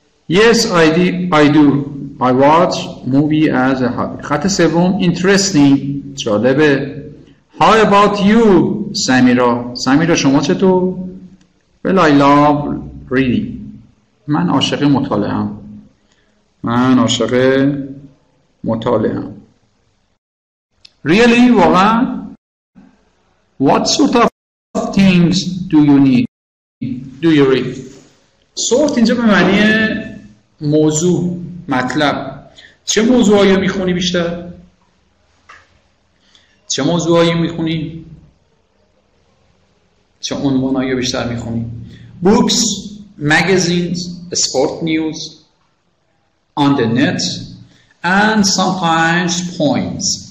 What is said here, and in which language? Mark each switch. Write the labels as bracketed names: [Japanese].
[English] Yes, I do. I watch movie as a hobby. [Persian] خط سوم interesting. جالبه. [English] How about you, Samira? Samira [Persian] شما چطور؟ [English] Well, I love reading. [Persian] من عاشق مطالعه هم. من عاشق مطالعه هم. Really? واقعا؟ [English] What sort of things do you need? Do you read? [Persian] Sort اینجا به معنی موضوع مطلب چه موضوعی رو میخونی بیشتر؟ چه موضوعی میخونی؟ چه عنوانایی رو بیشتر میخونی؟ [English] books, magazines, sport news on the net and sometimes points.